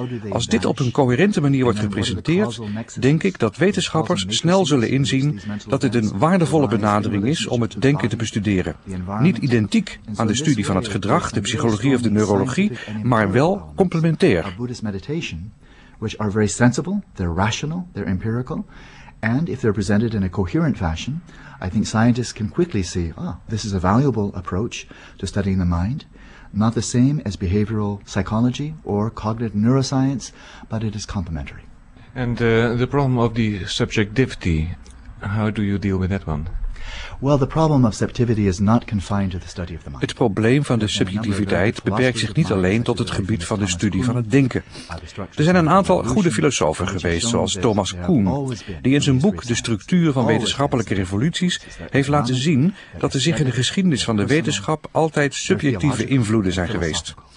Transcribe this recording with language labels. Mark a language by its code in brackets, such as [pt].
[nl] Als dit op een coherente manier wordt gepresenteerd, denk ik dat wetenschappers snel zullen inzien dat het een waardevolle benadering is om het denken te bestuderen. Niet identiek aan de studie van het gedrag, de psychologie of de neurologie, maar wel complementair. [en] Which are very sensible, they're rational, they're empirical, and if they're presented in a coherent fashion, I think scientists can quickly see, oh, this is a valuable approach to studying the mind. Not the same as behavioral psychology or cognitive neuroscience, but it is complementary. And the problem of the subjectivity, how do you deal with that one? Well, the problem of subjectivity is not confined to the study of the mind. [nl] Het probleem van de subjectiviteit beperkt zich niet alleen tot het gebied van de studie van het denken. Er zijn een aantal goede filosofen geweest, zoals Thomas Kuhn, die in zijn boek De structuur van wetenschappelijke revoluties heeft laten zien dat er zich in de geschiedenis van de wetenschap altijd subjectieve invloeden zijn geweest.